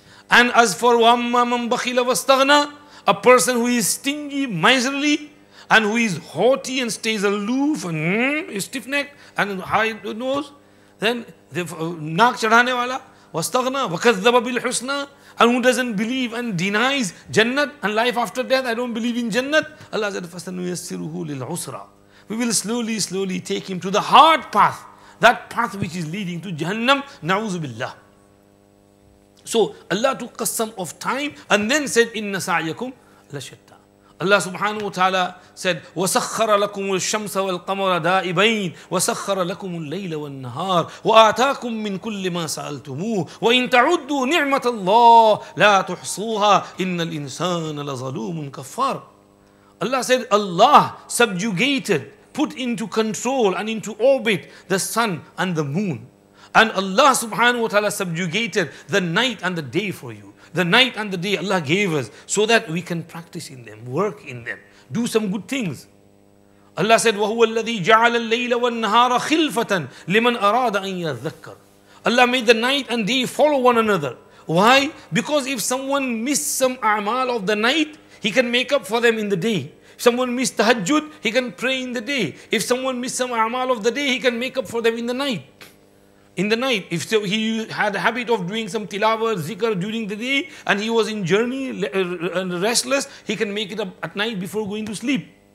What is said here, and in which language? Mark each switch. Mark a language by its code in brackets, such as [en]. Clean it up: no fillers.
[en] And as for [ar] وَأَمَّا مَنْ بَخِلَ وَاسْتَغْنَى, [en] a person who is stingy, miserly, and who is haughty and stays aloof and stiff-necked and high nose, then [ur] نَاكْ چَرْحَانَي وَالَا [ar] وَاسْتَغْنَى وَكَذَّبَ بِالْحُسْنَى, [en] and who doesn't believe and denies Jannat and life after death, I don't believe in Jannat. Allah said [ar] فَسَنُيَسِّرُهُ لِلْعُسْرَى. [en] We will slowly, slowly take him to the hard path, that path which is leading to Jahannam, [ar] نَعُوذُ بِاللَّهِ. [en] So Allah took qasam of time and then said, [ar] إِنَّ سَعْيَكُمْ لَشَتَّى. Allah subhanahu wa ta'ala said, وَسَخَّرَ لَكُمُ الشَّمْسَ وَالْقَمَرَ دَائِبَيْنِ وَسَخَّرَ لَكُمُ اللَّيْلَ وَالنَّهَارِ وَآتَاكُمْ مِنْ كُلِّ مَا سَأَلْتُمُوهُ وَإِنْ تَعُدُّوا نِعْمَةَ اللَّهِ لَا تُحْصُوهَا إِنَّ الْإِنسَانَ لَظَلُومٌ كَفَّارٌ. [en] Allah said, Allah subjugated, put into control and into orbit the sun and the moon. And Allah subhanahu wa ta'ala subjugated the night and the day for you. The night and the day Allah gave us so that we can practice in them, work in them, do some good things. [ar] Allah said, وَهُوَ الَّذِي جَعَلَ اللَّيْلَ وَالنَّهَارَ خِلْفَةً لِمَنْ أَرَادَ أَنْ يَذَّكَّرَ. [en] Allah made the night and day follow one another. Why? Because if someone missed some a'mal of the night, he can make up for them in the day. If someone missed tahajjud, he can pray in the day. If someone missed some a'mal of the day, he can make up for them in the night. In the night, if so, he had a habit of doing some tilawat, zikr during the day, and he was in journey and restless, he can make it up at night before going to sleep.